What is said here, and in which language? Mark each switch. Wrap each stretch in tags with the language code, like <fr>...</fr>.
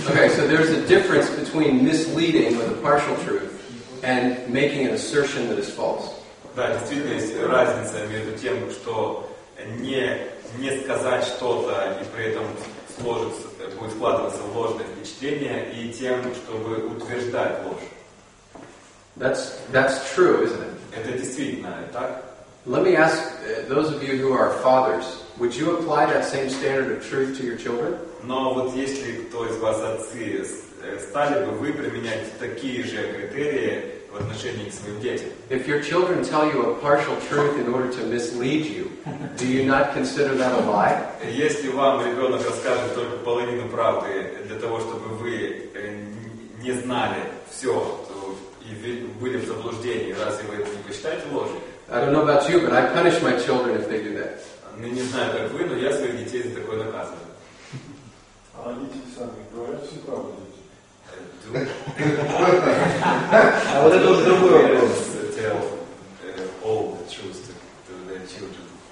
<en>So there's a difference between misleading with a partial truth and making an assertion that is false.</en> <ru>Да, действительно есть разница между тем, что не сказать что-то и при этом сложить будет вкладываться в ложное впечатление и тем, чтобы утверждать ложь.</ru> <en>That's true, isn't it?</en> <ru>Это действительно так.</ru> <en>Let me ask those of you who are fathers, would you apply that same standard of truth to your children?</en> <ru>Но вот если кто из вас отцы, стали бы вы применять такие же критерии в отношении к своим детям?</ru> <en>If your children tell you a partial truth in order to mislead you, do you not consider that a lie?</en> <ru>Если вам ребенок расскажет только половину правды для того, чтобы вы не знали все и были в заблуждении, разве вы это не посчитаете ложью?</ru> <en>I don't know about you, but I punish my children if they do that.</en> <ru>Ну, не знаю, как вы, но я своих детей за такое наказываю. А родители сами говорят всю правду, дети? А вот это вот другой вопрос.</ru> <en>Tell all the truth to their children.</en>